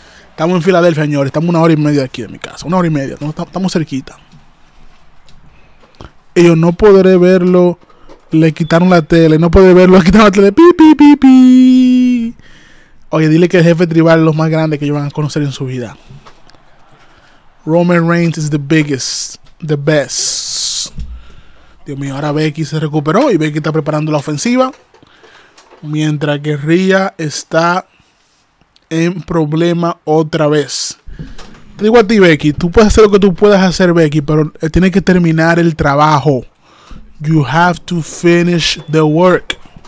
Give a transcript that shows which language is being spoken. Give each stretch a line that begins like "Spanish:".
Spanish: Estamos en Filadelfia, señores. Estamos una hora y media aquí de mi casa. Una hora y media. Estamos cerquita. Y yo no podré verlo. Le quitaron la tele. No puede verlo. Le quitaron la tele. Pi, pi, pi, pi. Oye, dile que el jefe tribal es lo más grande que ellos van a conocer en su vida.
English: Roman Reigns is the biggest, the best.
Spanish: Dios mío, ahora Becky se recuperó y Becky está preparando la ofensiva. Mientras que Rhea está en problema otra vez. Te digo a ti, Becky, tú puedes hacer lo que tú puedas hacer, Becky, pero tienes que terminar el trabajo.
English: You have to finish the work.